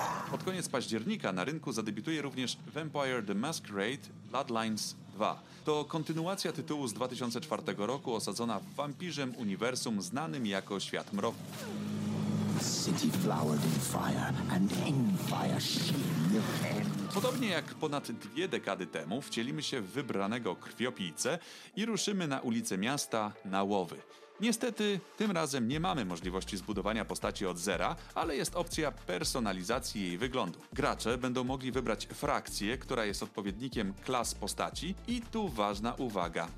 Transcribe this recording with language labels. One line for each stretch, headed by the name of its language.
Polish: Pod koniec października na rynku zadebiutuje również Vampire the Masquerade Bloodlines 2. To kontynuacja tytułu z 2004 roku osadzona w wampirzym uniwersum znanym jako Świat Mroku.
English: City flowered in fire and in fire she lived.
Polish: Podobnie jak ponad dwie dekady temu, wcielimy się w wybranego krwiopijcę i ruszymy na ulice miasta na łowy. Niestety, tym razem nie mamy możliwości zbudowania postaci od zera, ale jest opcja personalizacji jej wyglądu. Gracze będą mogli wybrać frakcję, która jest odpowiednikiem klas postaci i tu ważna uwaga.